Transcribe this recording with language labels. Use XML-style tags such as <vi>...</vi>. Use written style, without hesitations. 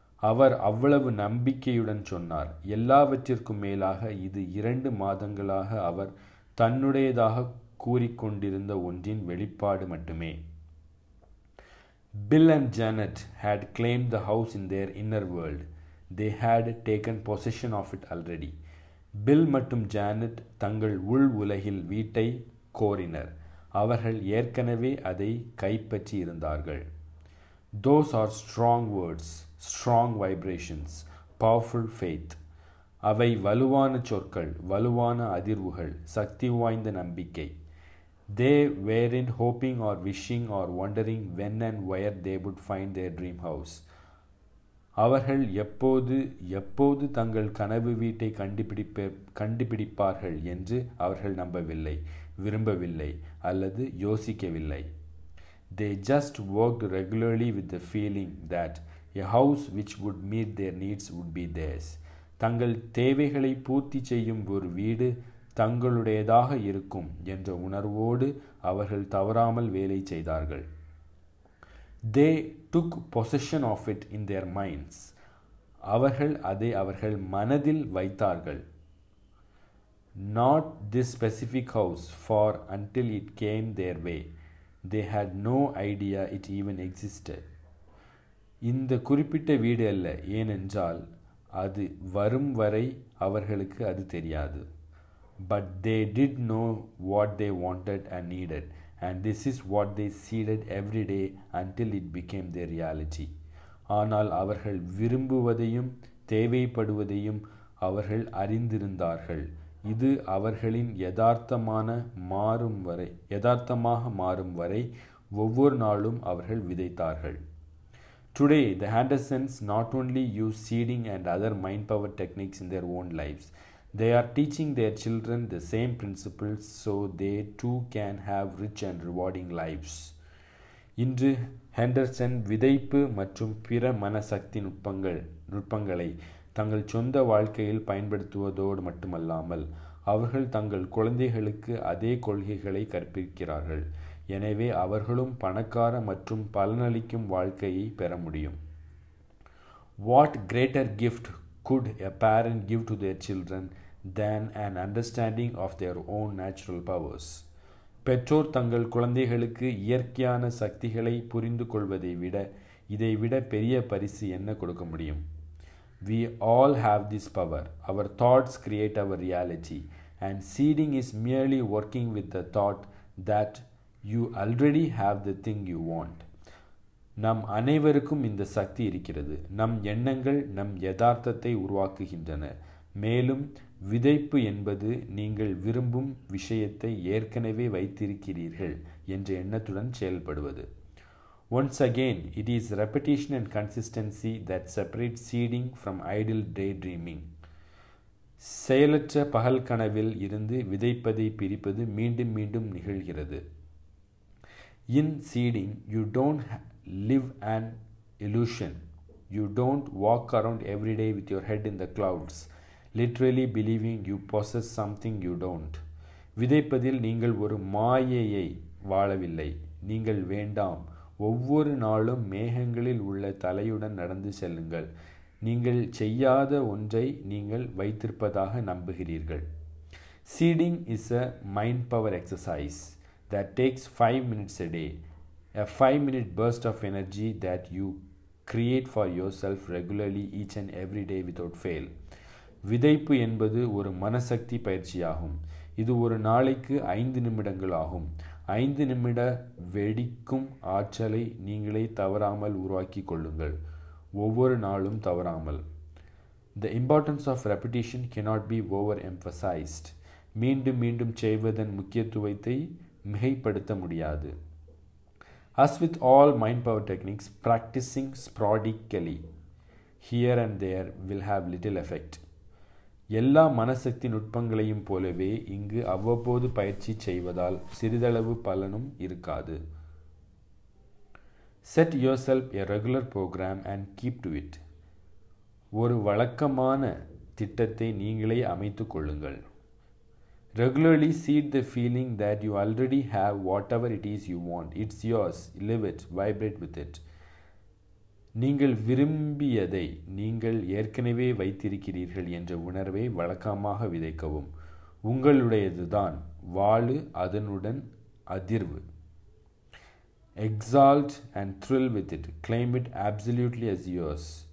<ta>அவர் அவ்வளவு நம்பிக்கையுடன் சொன்னார். எல்லாவற்றிற்கும் மேலாக இது 2 மாதங்களாக அவர் தன்னுடையதாக கூறிக்கொண்டிருந்த ஒன்றின் வெளிப்பாடு மட்டுமே.</ta> <en>Bill and Janet had claimed the house in their inner world. They had taken possession of it already.</en> <ta>Bill மற்றும் Janet தங்கள் உள் உலகில் வீட்டை கோரினர். அவர்கள் ஏற்கனவே அதை கைப்பற்றி இருந்தார்கள்.</ta> <en>Those are strong words, strong vibrations, powerful faith.</en> <ta>அவை வலுவான சொற்கள், வலுவான அதிர்வுகள், சக்தி வாய்ந்த நம்பிக்கை.</ta> <en>They weren't hoping or wishing or wondering when and where they would find their dream house.</en> <ta>அவர்கள் எப்போது தங்கள் கனவு வீட்டை கண்டுபிடிப்பார்கள் என்று அவர்கள் நம்பவில்லை, விரும்பவில்லை அல்லது யோசிக்கவில்லை.</ta> <en>They just worked regularly with the feeling that a house which would meet their needs would be theirs.</en> <ta>தங்கள் தேவைகளை பூர்த்தி செய்யும் ஒரு வீடு தங்களுடையதாக இருக்கும் என்ற உணர்வோடு அவர்கள் தவறாமல் வேலை செய்தார்கள்.</ta> <en>They took possession of it in their minds.</en> <ta>அவர்கள் அதை அவர்கள் மனதில் வைத்தார்கள்.</ta> <en>Not this specific house for until it came their way. They had no idea it even existed.</en> <ta>இந்த குறிப்பிட்ட வீடு அல்ல, ஏனென்றால் அது வரும் வரை அவர்களுக்கு அது தெரியாது.</ta> <en>But they did know what they wanted and needed, and this is what they seeded every day until it became their reality.</en> <ta>ஆனால் அவர்கள் விரும்புவதையும் தேவைப்படுவதையும் அவர்கள் அறிந்திருந்தார்கள். இது அவர்களின் யதார்த்தமாக மாறும் வரை ஒவ்வொரு நாளும் அவர்கள் விதைத்தார்கள்.</ta> <en>Today, the Hendersons not only use seeding and other mind power techniques in their own lives, they are teaching their children the same principles so they too can have rich and rewarding lives.</en> <ta>இன்று Henderson விதைப்பு மற்றும் பிற மனசக்தி நுட்பங்களை தங்கள் சொந்த வாழ்க்கையில் பயன்படுத்துவதோடு மட்டுமல்லாமல் அவர்கள் தங்கள் குழந்தைகளுக்கு அதே கொள்கைகளை கற்பிக்கிறார்கள். எனவே அவர்களும் பணக்கார மற்றும் பலனளிக்கும் வாழ்க்கையை பெற முடியும்.</ta> <en>What greater gift could a parent give to their children than an understanding of their own natural powers.</en> <ta>பெற்றோர் தங்கள் குழந்தைகளுக்கு இயற்கையான சக்திகளை புரிந்து கொள்வதை விட இதைவிட பெரிய பரிசு என்ன கொடுக்க முடியும்?</ta> <en>We all have this power. Our thoughts create our reality, and seeding is merely working with the thought that you already have the thing you want.</en> <ta>நம் அனைவருக்கும் இந்த சக்தி இருக்கிறது. நம் எண்ணங்கள் நம் யதார்த்தத்தை உருவாக்குகின்றன. மேலும் விதைப்பு என்பது நீங்கள் விரும்பும் விஷயத்தை ஏற்கனவே வைத்திருக்கிறீர்கள் என்ற எண்ணத்துடன் செயல்படுவது.</ta> <en>Once again, it is repetition and consistency that separates seeding from idle daydreaming.</en> <ta>செயலற்ற பகல் கனவில் இருந்து விதைப்பதை பிரிப்பது மீண்டும் மீண்டும் நிகழ்கிறது.</ta> <en>In seeding, you don't live an illusion. You don't walk around every day with your head in the clouds, literally believing you possess something you don't.</en> <ta>விதைப்பதில் நீங்கள் ஒரு மாயையை வாழவில்லை. நீங்கள் வேண்டாம், ஒவ்வொரு நாளும் மேகங்களில் உள்ள தலையுடன் நடந்து செல்லுங்கள். நீங்கள் செய்யாத ஒன்றை நீங்கள் வைத்திருப்பதாக நம்புகிறீர்கள்.</ta> <en>Seeding is a mind power exercise that takes 5 minutes a day, a 5-minute burst of energy that you create for yourself regularly each and every day without fail.</en> <ta>விதைப்பு என்பது ஒரு மனசக்தி பயிற்சியாகும். இது ஒரு நாளைக்கு 5 நிமிடங்கள் ஆகும். 5 நிமிட வெடிக்கும் ஆற்றலை நீங்களே தவறாமல் உருவாக்கி கொள்ளுங்கள், ஒவ்வொரு நாளும் தவறாமல்.</ta> <en>The importance of repetition cannot be overemphasized.</en> <ta>மீண்டும் மீண்டும் செய்வதன் முக்கியத்துவத்தை மிகைப்படுத்த முடியாது.</ta> <en>As with all mind power techniques, practicing sporadically here and there will have little effect.</en> <ta>எல்லா மனசக்தி நுட்பங்களையும் போலவே இங்கு அவ்வப்போது பயிற்சி செய்வதால் சிறிதளவு பலனும் இருக்காது.</ta> <en>Set yourself a regular program and keep to it.</en> <ta>ஒரு வழக்கமான திட்டத்தை நீங்களே அமைத்துக் கொள்ளுங்கள்.</ta> <en>Regularly seed the feeling that you already have whatever it is you want. It's yours. Live it. Vibrate with it.</en> <ta>நீங்கள் விரும்பியதை நீங்கள் ஏற்கனவே வைத்திருக்கிறீர்கள் என்ற உணர்வை வழக்கமாக விதைக்கவும். உங்களுடையதுதான். வாழு அதனுடன் அதிர்வு.</ta> <en>Exalt and thrill with it. Claim it absolutely as yours.</en>